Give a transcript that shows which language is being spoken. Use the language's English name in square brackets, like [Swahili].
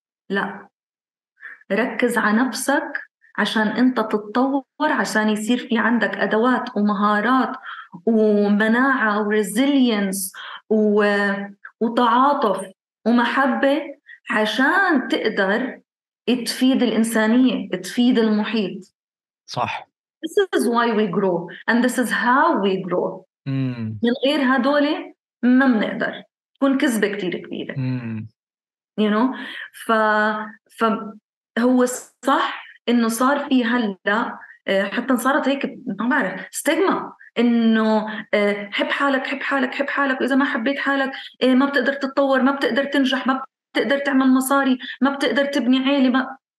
[Arabic] لا، ركز على نفسك عشان أنت تتطور، عشان يصير في عندك أدوات ومهارات ومناعة وresilience وتعاطف ومحبة عشان تقدر تفيد الإنسانية، تفيد المحيط. صح. [English] This is why we grow and this is how we grow. [Arabic] من غير هدول ما بنقدر، تكون كذبة كتير كبيرة. [English] You know. [Arabic] فهو صح إنه صار في هلا حتى صارت هيك ما بعرف ستيغما إنه حب حالك حب حالك حب حالك، وإذا ما حبيت حالك ما بتقدر تتطور، ما بتقدر تنجح، ما بتقدر تعمل مصاري، ما بتقدر تبني عيلة.